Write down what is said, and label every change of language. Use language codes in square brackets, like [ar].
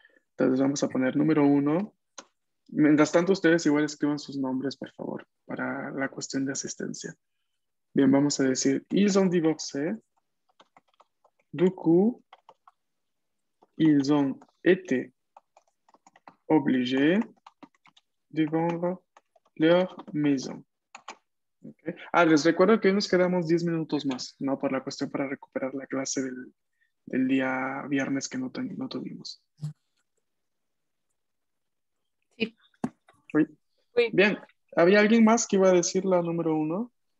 [es] Entonces vamos a poner número uno. Mientras tanto, ustedes igual escriban sus nombres, por favor, para la cuestión de asistencia. Bien, vamos a decir, [fr] ils ont divorcé. Du coup, ils ont été obligés de vendre leur maison. Okay. [es] Ah, les recuerdo que nos quedamos 10 minutos más, ¿no? Por la cuestión para recuperar la clase del día viernes que no tuvimos. Bien, ¿había alguien más que iba a decir la número uno?